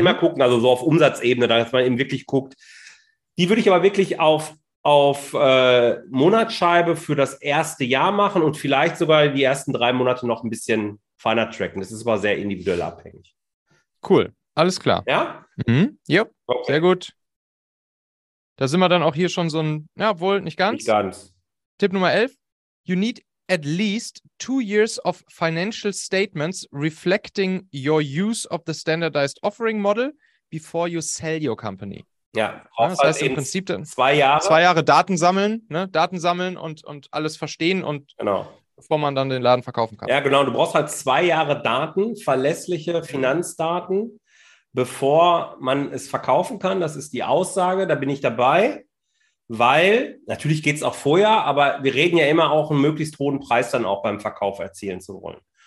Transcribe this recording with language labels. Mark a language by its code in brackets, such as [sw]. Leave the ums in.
[de] immer gucken, also so auf Umsatzebene, dass man eben wirklich guckt. Die würde ich aber wirklich auf auf äh, Monatsscheibe für das erste Jahr machen und vielleicht sogar die ersten drei Monate noch ein bisschen feiner tracken. Das ist aber sehr individuell abhängig. Cool, alles klar. Ja? Mhm. Ja, Okay. sehr gut. Da sind wir dann auch hier schon so ein, ja, wohl nicht ganz. Nicht ganz. Tipp Nummer 11. [en] You need at least two years of financial statements reflecting your use of the standardized offering model before you sell your company. [de] Ja, Ja, brauchst das heißt halt im eben Prinzip dann zwei Jahre. zwei Jahre Daten sammeln, ne? Daten sammeln und, und alles verstehen und Genau. bevor man dann den Laden verkaufen kann. Ja, genau. Du brauchst halt zwei Jahre Daten, verlässliche Finanzdaten, bevor man es verkaufen kann. Das ist die Aussage. Da bin ich dabei, weil natürlich geht es auch vorher, aber wir reden ja immer auch einen möglichst hohen Preis dann auch beim Verkauf erzielen zu wollen.